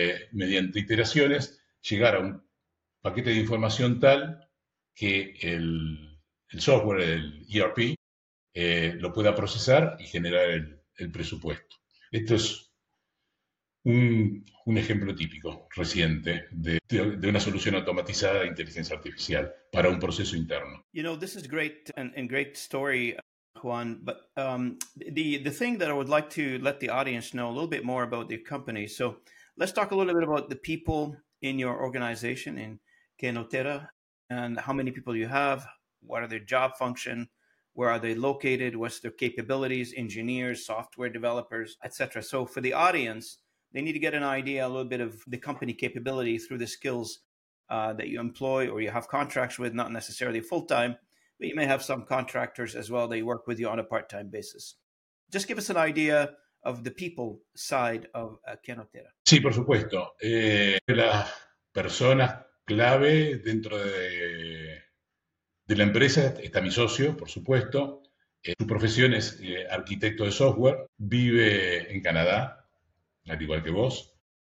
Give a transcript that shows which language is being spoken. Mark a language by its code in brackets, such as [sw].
[es] mediante iteraciones, llegar a un paquete de información tal que el software, el ERP, lo pueda procesar y generar el presupuesto. Esto es un ejemplo típico reciente de una solución automatizada de inteligencia artificial para un proceso interno. [en] You know, this is great and great story, Juan, but the thing that I would like to let the audience know a little bit more about the company. So let's talk a little bit about the people in your organization in Kenotera and how many people you have, What are their job function? Where are they located? What's their capabilities? Engineers, software developers, etc. So for the audience, they need to get an idea, a little bit of the company capability through the skills that you employ or you have contracts with, not necessarily full-time, but you may have some contractors as well. They work with you on a part-time basis. Just give us an idea of the people side of Kenotera. [es] Sí, por supuesto. Las personas clave dentro de la empresa está mi socio, por supuesto. Su profesión es arquitecto de software. Vive en Canadá, al igual que vos.